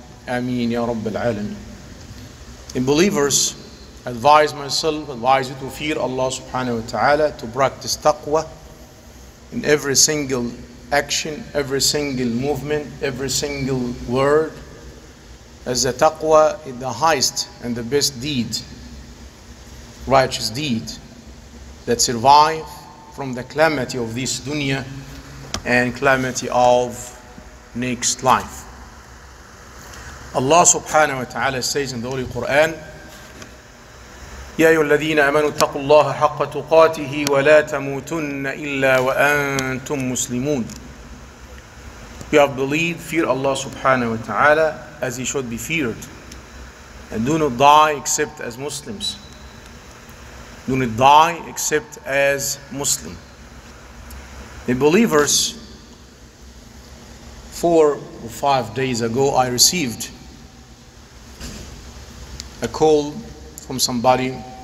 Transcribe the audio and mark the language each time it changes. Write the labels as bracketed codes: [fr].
[en] Ameen, Ya Rabbil Alameen. In believers, advise myself, advise you to fear Allah subhanahu wa ta'ala, to practice taqwa in every single action, every single movement, every single word, as the taqwa is the highest and the best deed, righteous deed, that survive from the calamity of this dunya and calamity of next life. [ar] Allah subhanahu wa ta'ala says in the Holy Quran, يَا أَيُّهَا الَّذِينَ آمَنُوا اتَّقُوا اللَّهَ حَقَّ تُقَاتِهِ وَلَا تَمُوتُنَّ إِلَّا وَأَنْتُمْ مُسْلِمُونَ. [en] You have believed, fear Allah subhanahu wa ta'ala as He should be feared, and do not die except as Muslims. Do not die except as Muslim. The believers, 4 or 5 days ago, I received a call from somebody.